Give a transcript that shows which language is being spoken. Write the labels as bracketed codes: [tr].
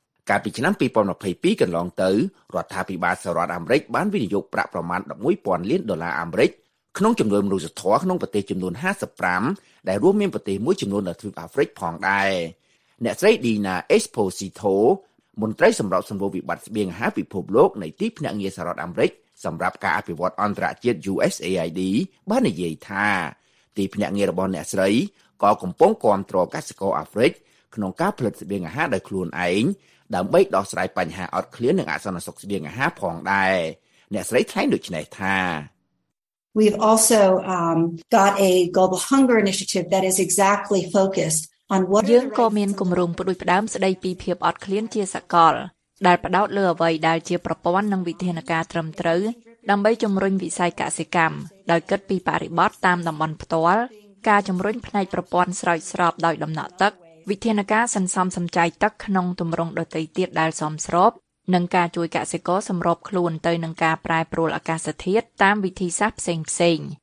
[km] កាលពីឆ្នាំ2022កន្លងទៅរដ្ឋាភិបាលសហរដ្ឋអាមេរិកបានវិនិយោគប្រាក់ប្រមាណ11,000លានដុល្លារអាមេរិកក្នុងចំនួនមនុស្សធម៌ក្នុងប្រទេសចំនួន55ដែលរួមមានប្រទេសមួយចំនួននៅទ្វីបអាហ្វ្រិកផងដែរអ្នកស្រី Dina Exposito មន្ត្រីសម្របសម្រួលវិបត្តិស្បៀងអាហារពិភពលោកនៃទីភ្នាក់ងារសហរដ្ឋអាមេរិកសម្រាប់ការអភិវឌ្ឍអន្តរជាតិ USAID បាននិយាយថាទីភ្នាក់ងាររបស់អ្នកស្រីក៏កំពុងគាំទ្រកសិករអាហ្វ្រិក ក្នុងការផលិតស្បៀងអាហារដោយខ្លួនឯងដើម្បីដោះស្រាយបញ្ហាអត់ឃ្លាននិងអសន្តិសុខស្បៀងអាហារផងដែរអ្នកស្រីថ្លែងដូចនេះថា [en] We've also got a global hunger initiative that is exactly focused on what [km] យើងក៏មានគម្រោងផ្ដួចផ្ដើមស្ដីពីភាពអត់ឃ្លានជាសកលដែលផ្ដោតលើអ្វីដែលជាប្រព័ន្ធនិងវិធានការត្រឹមត្រូវដើម្បីជំរុញវិស័យកសិកម្មដោយគិតពីបរិបទតាមតំបន់ផ្ទាល់ការជំរុញផ្នែកប្រព័ន្ធស្រោចស្រពដោយដំណក់ទឹកវិធានការសន្សំសំចៃទឹកក្នុងទម្រង់ដទៃទៀតដែលសមស្របនិងការជួយកសិករសម្របខ្លួនទៅនឹងការប្រែប្រួលអាកាសធាតុតាមវិធីសាស្ត្រផ្សេងផ្សេង